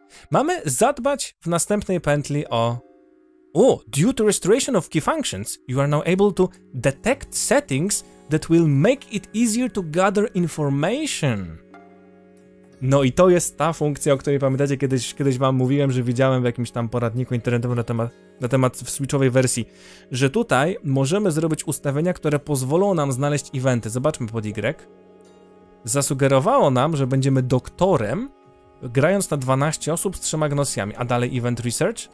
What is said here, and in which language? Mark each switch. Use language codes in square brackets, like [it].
[pl] Mamy zadbać w następnej pętli o... [en] Due to restoration of key functions, you are now able to detect settings that will make it easier to gather information. [pl] No i to jest ta funkcja, o której pamiętacie, kiedyś wam mówiłem, że widziałem w jakimś tam poradniku internetowym na temat w switchowej wersji, że tutaj możemy zrobić ustawienia, które pozwolą nam znaleźć eventy. Zobaczmy pod Y. Zasugerowało nam, że będziemy doktorem, grając na 12 osób z 3 gnosjami, a dalej event research?